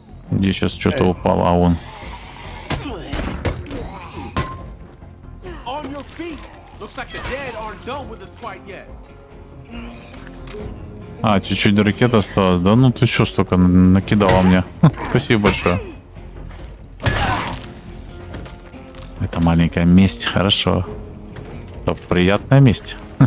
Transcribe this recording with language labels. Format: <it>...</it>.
<ru>Где сейчас что-то упало, а вон.</ru> <en>On your feet. Looks like the dead aren't done with this fight yet.</en> <ru>А, чуть-чуть ракет осталось, да? Ну ты что, столько накидала мне? Спасибо большое. Это маленькая месть, хорошо. Приятная месть.</ru>